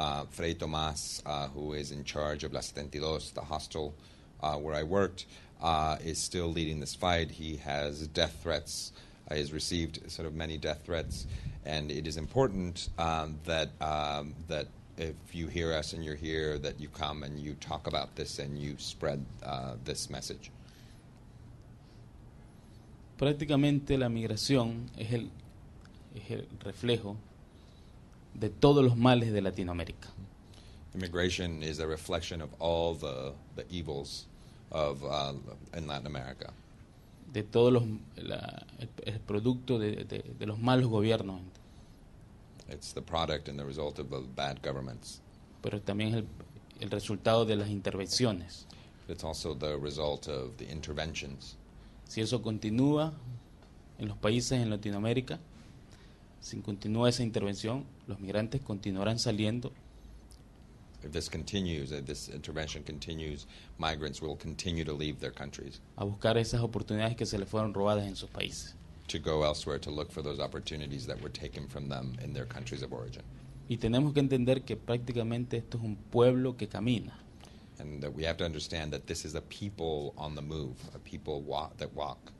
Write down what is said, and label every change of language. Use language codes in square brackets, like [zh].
[en] Fray Tomás, who is in charge of La 72, the hostel where I worked, is still leading this fight. He has death threats. He has received sort of many death threats, and it is important that if you hear us and you're here, that you come and you talk about this and you spread this message. [es] Prácticamente la migración es el reflejo de todos los males de Latinoamérica. [en] Immigration is a reflection of all the evils of in Latin America. [es] De todos los el producto de los malos gobiernos. [en] It's the product and the result of the bad governments. [es] Pero también el resultado de las intervenciones. [en] It's also the result of the interventions. [es] Si eso continúa en los países en Latinoamérica, si continúa esa intervención, los migrantes continuarán saliendo. [en] If this continues, if this intervention continues, migrants will continue to leave their countries. [es] A buscar esas oportunidades que se les fueron robadas en sus países. [en] To go elsewhere, to look for those opportunities that were taken from them in their countries of origin. [es] Y tenemos que entender que prácticamente esto es un pueblo que camina. [en] And that we have to understand that this is a people on the move, a people that walk.